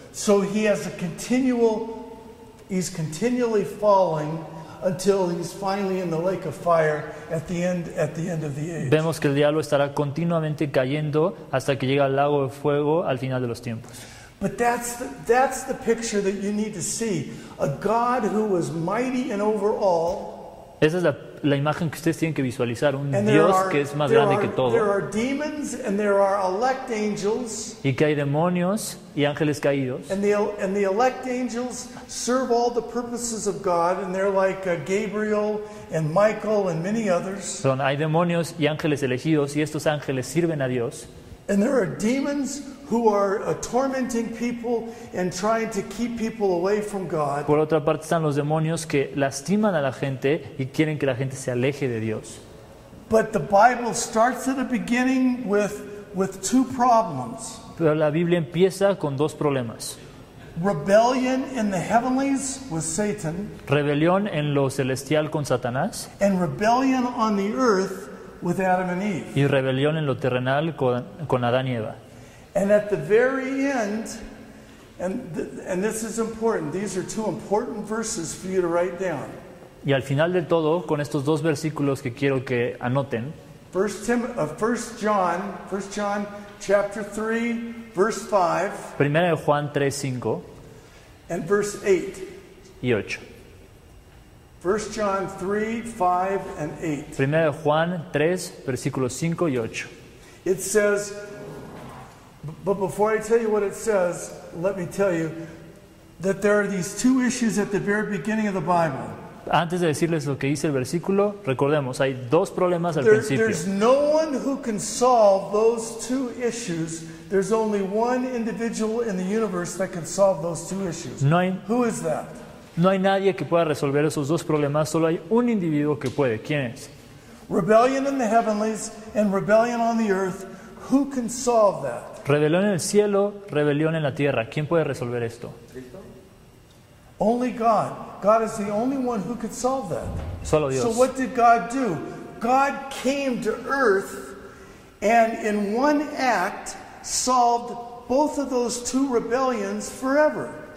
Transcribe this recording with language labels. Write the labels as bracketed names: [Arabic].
[English] So he has a continual, he's continually falling until he's finally in the lake of fire at the end of the age. [Spanish] Vemos que el diablo estará continuamente cayendo hasta que llega al lago de fuego al final de los tiempos. [English] But that's the picture that you need to see. A God who was mighty and over all. [Spanish] Esa es la la imagen que ustedes tienen que visualizar, un Dios que es más grande que todo. [English] There are demons and there are elect angels. [Spanish] Y que hay demonios y ángeles caídos. [English] And the elect angels serve all the purposes of God, and they're like Gabriel and Michael and many others. [Spanish] Son, hay demonios y ángeles elegidos, y estos ángeles sirven a Dios. [English] And there are demons who are tormenting people and trying to keep people away from God. [Spanish] Por otra parte están los demonios que lastiman a la gente y quieren que la gente se aleje de Dios. [English] But the Bible starts at the beginning with two problems. [Spanish] Pero la Biblia empieza con dos problemas. [English] Rebellion in the heavenlies with Satan. [Spanish] Rebelión en lo celestial con Satanás. [English] And rebellion on the earth with Adam and Eve. [Spanish] Y rebelión en lo terrenal con Adán y Eva. [English] And at the very end, and this is important, these are two important verses for you to write down. [Spanish] Y al final de todo, con estos dos versículos que quiero que anoten. [English] First John chapter 3, verse 5. [Spanish] Primera de Juan 3:5. [English] And verse 8. [Spanish] Y 8. [English] 1 John 3, 5, and 8. [Spanish] Primero Juan 3, versículos 5 y 8. [English] It says, but before I tell you what it says, let me tell you that there are these two issues at the very beginning of the Bible. [Spanish] Antes de decirles lo que dice el versículo, recordemos, hay dos problemas al principio. [English] There's no one who can solve those two issues. There's only one individual in the universe that can solve those two issues. [Spanish] No hay... [English] Who is that? [Spanish] No hay nadie que pueda resolver esos dos problemas, solo hay un individuo que puede. ¿Quién es? [English] Rebellion in the heavenlies and rebellion on the earth. Who can solve that? [Spanish] Rebelión en el cielo, rebelión en la tierra. ¿Quién puede resolver esto? [English] Only God. God is the only one who could solve that. [Spanish] Solo Dios. [English] So what did God do? God came to earth and in one act solved both of those two rebellions forever.